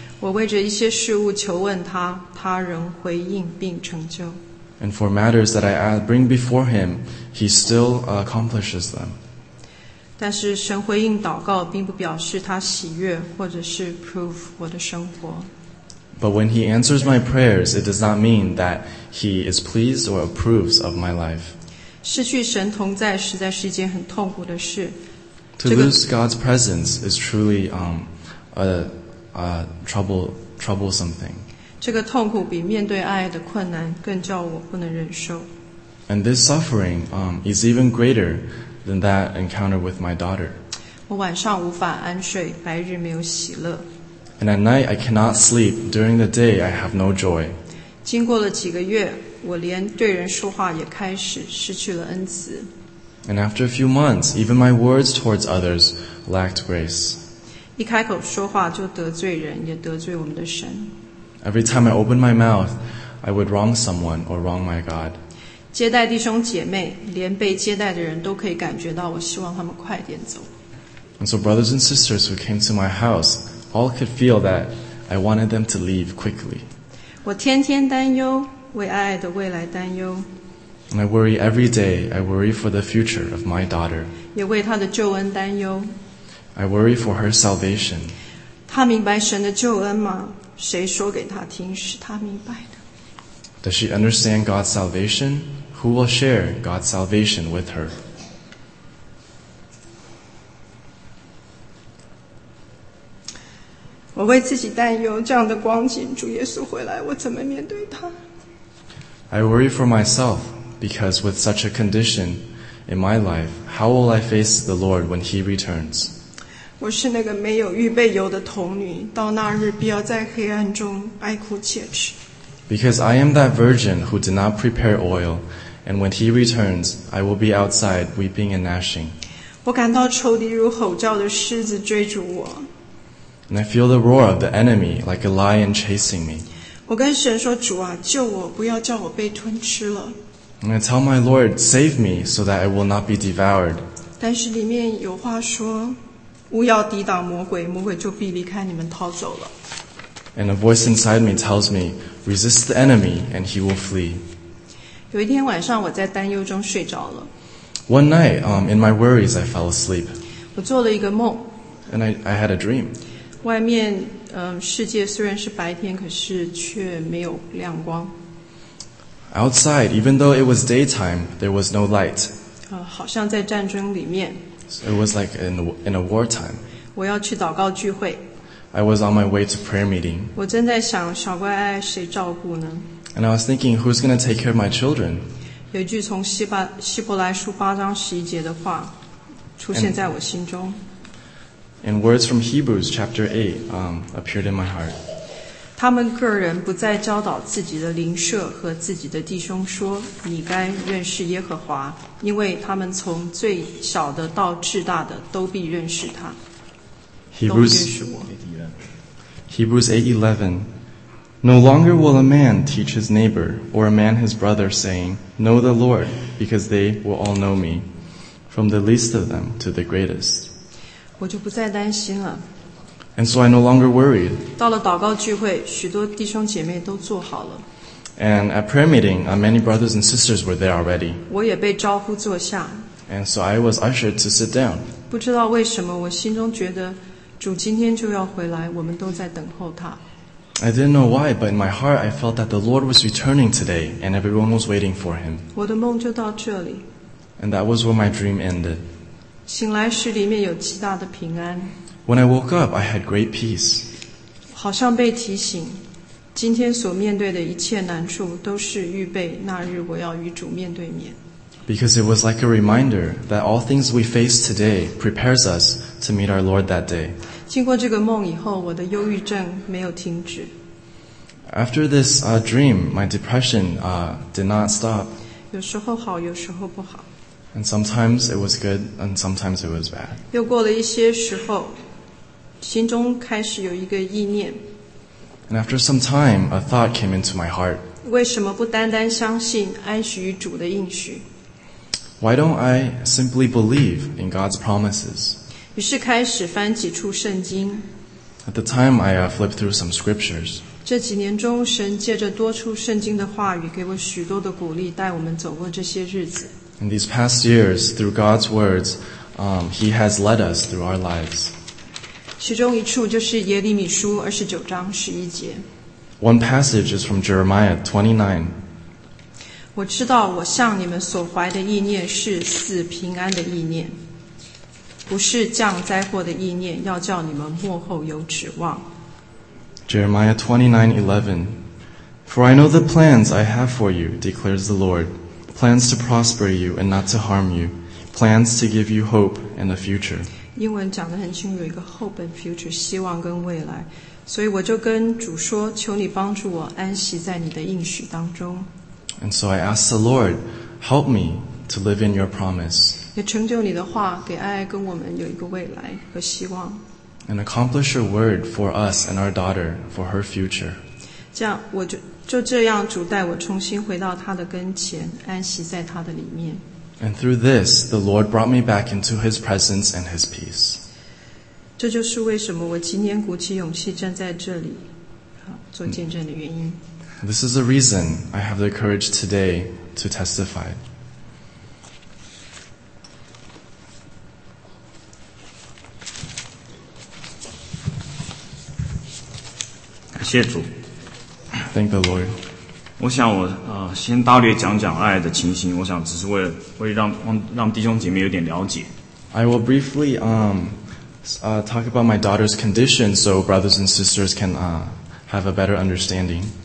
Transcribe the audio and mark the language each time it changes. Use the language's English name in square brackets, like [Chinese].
[Chinese] 我为着一些事物求问他，他仍回应并成就。 [English] And for matters that I bring before him, he still accomplishes them. [Chinese] 但是神回应祷告并不表示他喜悦或者是 [English] approve [Chinese] 我的生活。 [English] But when he answers my prayers, it does not mean that he is pleased or approves of my life. [Chinese] 失去神同在实在是一件很痛苦的事。 [English] To lose God's presence is truly a troublesome thing. [Chinese] 这个痛苦比面对爱的困难更叫我不能忍受。 [English] And this suffering, is even greater than that encounter with my daughter. [Chinese] 我晚上无法安睡，白日没有喜乐。 [English] And at night I cannot sleep, during the day I have no joy. [Chinese] 经过了几个月，我连对人说话也开始失去了恩慈。 [English] And after a few months, even my words towards others lacked grace. [Chinese] 一开口说话就得罪人，也得罪我们的神。 [English] Every time I opened my mouth, I would wrong someone or wrong my God. [Chinese] 接待弟兄姐妹，连被接待的人都可以感觉到我希望他们快点走。 [English] And so brothers and sisters who came to my house, all could feel that I wanted them to leave quickly. [Chinese] 我天天担忧，为爱爱的未来担忧。 [English] And I worry every day, I worry for the future of my daughter. [Chinese] 也为她的救恩担忧。 [English] I worry for her salvation. [Chinese] 她明白神的救恩吗？谁说给她听使她明白的？ [English] Does she understand God's salvation? Who will share God's salvation with her? [Chinese] 我为自己担忧，这样的光景，主耶稣回来，我怎么面对他？ [English] I worry for myself. Because with such a condition in my life, how will I face the Lord when He returns? [Chinese] 我是那个没有预备油的童女，到那日必要在黑暗中哀哭切齿。 [English] Because I am that virgin who did not prepare oil, and when He returns, I will be outside weeping and gnashing. [Chinese] 我感到仇敌如吼叫的狮子追逐我。 [English] And I feel the roar of the enemy like a lion chasing me. [Chinese] 我跟神说，主啊，救我，不要叫我被吞吃了。 [English] And I tell my Lord, save me so that I will not be devoured. [Chinese] 但是里面有话说，勿要抵挡魔鬼，魔鬼就必离开你们逃走了。 [English] And a voice inside me tells me, resist the enemy and he will flee. [Chinese] 有一天晚上我在担忧中睡着了。 [English] One night, in my worries, I fell asleep. [Chinese] 我做了一个梦。 [English] And I had a dream. [Chinese] 外面，世界虽然是白天，可是却没有亮光。 [English] Outside, even though it was daytime, there was no light. [Chinese] 好像在战争里面。 [English] So it was like in a wartime. [Chinese] 我要去祷告聚会。 [English] I was on my way to prayer meeting. [Chinese] 我正在想小乖爱谁照顾呢？ [English] And I was thinking, who's going to take care of my children? [Chinese] 有一句从希伯来书八章十一节的话出现在我心中。 [English] And words from Hebrews chapter 8, appeared in my heart. [Chinese] 他们个人不再教导自己的邻舍和自己的弟兄说，你该认识耶和华，因为他们从最小的到至大的都必认识他。 [English] Hebrews 8:11 No longer will a man teach his neighbor or a man his brother saying, Know the Lord, because they will all know me, from the least of them to the greatest. [Chinese] 我就不再担心了。 [English] And so I no longer worried. [Chinese] 到了祷告聚会，许多弟兄姐妹都坐好了。 [English] And at prayer meeting, many brothers and sisters were there already. [Chinese] 我也被招呼坐下。 [English] And so I was ushered to sit down. [Chinese] 不知道为什么，我心中觉得主今天就要回来，我们都在等候他。 [English] I didn't know why, but in my heart, I felt that the Lord was returning today, and everyone was waiting for him. [Chinese] 我的梦就到这里。 [English] And that was where my dream ended. [Chinese] 醒来时，里面有极大的平安。 [English] When I woke up, I had great peace. [Chinese] 好像被提醒，今天所面对的一切难处都是预备那日我要与主面对面。 [English] Because it was like a reminder that all things we face today prepares us to meet our Lord that day. [Chinese] 经过这个梦以后，我的忧郁症没有停止。 [English] After this dream, my depression did not stop. [Chinese] 有时候好，有时候不好。 [English] And sometimes it was good, and sometimes it was bad. [Chinese] 又过了一些时候，心中开始有一个意念。 [English] And after some time, a thought came into my heart. [Chinese] 为什么不单单相信安息于主的应许？ [English] Why don't I simply believe in God's promises? [Chinese] 于是开始翻几处圣经。 [English] At the time, I flipped through some scriptures. [Chinese] 这几年中，神借着多处圣经的话语，给我许多的鼓励，带我们走过这些日子。 [English] In these past years, through God's words, He has led us through our lives. [Chinese] 其中一处就是耶利米书二十九章十一节。 [English] One passage is from Jeremiah 29. [Chinese] 我知道我向你们所怀的意念是赐平安的意念，不是降灾祸的意念，要叫你们末后有指望。 [English] Jeremiah 29:11. For I know the plans I have for you, declares the Lord, plans to prosper you and not to harm you, plans to give you hope and a future. [Chinese] 英文讲得很清楚，一个 [English] hope and future， [Chinese] 希望跟未来。所以我就跟主说，求你帮助我安息在你的应许当中。 [English] And so I ask the Lord, help me to live in your promise. [Chinese] 也成就你的话，给爱爱跟我们有一个未来和希望。 [English] And accomplish your word for us and our daughter for her future. [Chinese] 这样我就这样，主带我重新回到他的跟前，安息在他的里面。 [English] And through this, the Lord brought me back into His presence and His peace. [Chinese] 这就是为什么我今天鼓起勇气站在这里，做见证的原因。 [English] This is the reason I have the courage today to testify. [Chinese] 感谢主。 [English] Thank the Lord. [Chinese] 我想我先大略讲讲爱的情形，我想只是为让弟兄姐妹有点了解。 [English] I will briefly talk about my daughter's condition so brothers and sisters can have a better understanding.